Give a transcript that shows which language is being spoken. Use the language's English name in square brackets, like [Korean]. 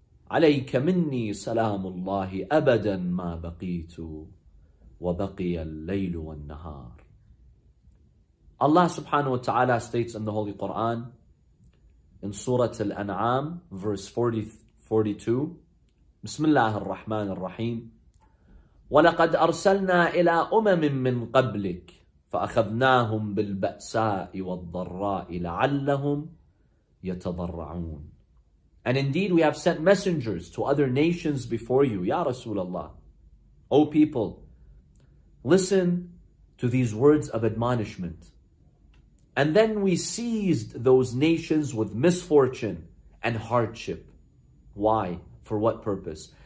[Arabic] عليك مني سلام الله أبدا ما بقيت وبقي الليل والنهار. [English] Allah subhanahu wa ta'ala states in the Holy Quran, in Surah Al-An'am, verse 42, [Arabic] بسم الله الرحمن الرحيم. ولقد أرسلنا إلى أمم من قبلك فأخذناهم بالبأساء والضراء لعلهم يتضرعون. [English] And indeed, we have sent messengers to other nations before you, Ya Rasulullah. O people, listen to these words of admonishment. And then we seized those nations with misfortune and hardship. Why? For what purpose?